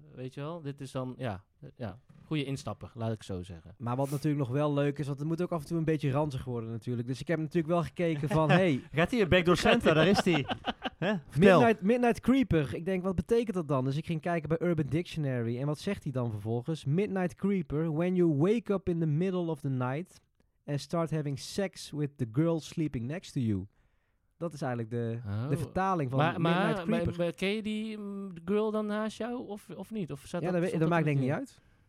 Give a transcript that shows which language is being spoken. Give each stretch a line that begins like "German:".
Dutch: Weet je wel, dit is dan, ja, goede instapper, laat ik zo zeggen. Maar wat natuurlijk nog wel leuk is, want het moet ook af en toe een beetje ranzig worden natuurlijk. Dus ik heb natuurlijk wel gekeken van, hey... Gaat hier Backdoor Santa, daar is die. Midnight Creeper, ik denk, wat betekent dat dan? Dus ik ging kijken bij Urban Dictionary en wat zegt hij dan vervolgens?
English: Midnight Creeper, when you wake up in the middle of the night and start having sex with the girl sleeping next to you.
Dutch: Dat is eigenlijk de vertaling van Midnight Creeper. Maar ken je die girl dan naast jou of niet? Of ja, dat maakt denk ik niet uit.